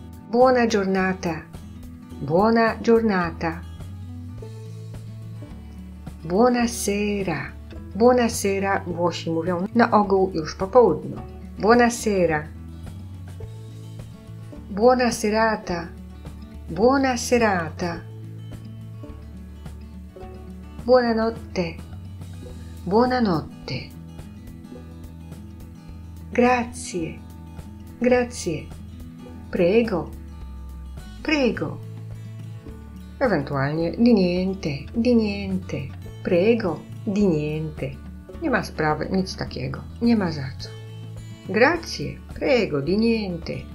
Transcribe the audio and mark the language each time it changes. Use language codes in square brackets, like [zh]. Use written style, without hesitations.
[it] Buona giornata, buona giornata. Buonasera, buonasera. [pl] Włosi mówią na ogół już po południu. [it] Buonasera. Buona serata, buona serata. Buonanotte, buonanotte. Grazie, grazie. Prego, prego. [pl] Ewentualnie [it] di niente, prego, di niente. [pl] Nie ma sprawy, nic takiego, nie ma za co. [it] Grazie, prego, di niente.